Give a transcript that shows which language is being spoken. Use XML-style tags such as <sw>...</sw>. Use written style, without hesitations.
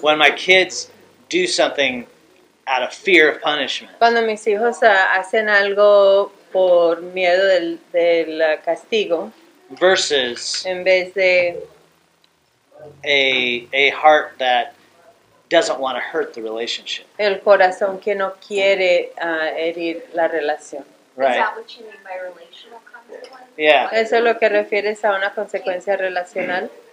<en>When my kids do something out of fear of punishment.</en> <es>Cuando mis hijos hacen algo por miedo del castigo.</es> <en>Versus.</en> <es>En vez de.</es> <en>A heart that doesn't want to hurt the relationship.</en> <es>El corazón que no quiere herir la relación.</es> <en>Right. Is that what you mean by relational? Yeah.</en> <es>Eso es lo que refieres a una consecuencia relacional.</es>